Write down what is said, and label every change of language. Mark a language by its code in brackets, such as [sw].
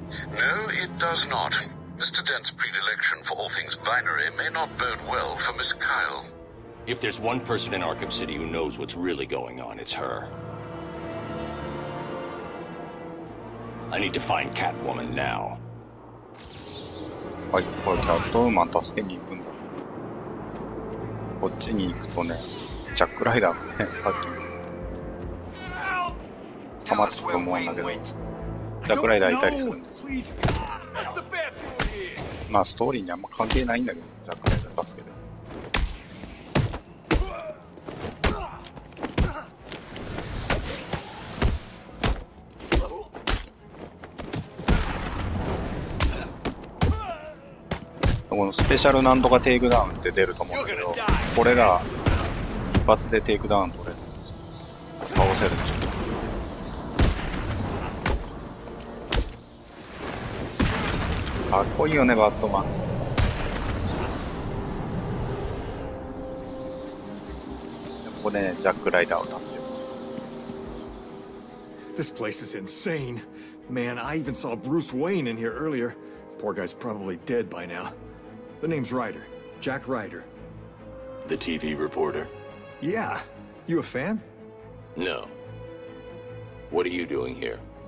[en] No, it does not. Mr. Dent's predilection for all things binary may not bode well for Miss Kyle. If there's one person in Arkham City who knows what's really going on, it's her. I need to find Catwoman now. [ja] はい、これキャットウーマン助けに行くんだ。こっちに行くとね、ジャックライダーがね、さっき捕まったと思うんだけど、ジャックライダーいたりするんです。まあストーリーにあんま関係ないんだけど、ジャックライダー助けて。このスペシャルなんとかテイクダウンって出ると思うんだけど、これが一発でテイクダウン取れるんですよ。倒せるんちゃう。かっこいいよね、バットマン。ここでね、ジャックライダーを助ける。 [en] This place is insane. Man, I even saw Bruce Wayne in here earlier. Poor guy's probably dead by now. The name's Ryder. Jack Ryder. The TV reporter? Yeah. You a fan? No. What are you doing here?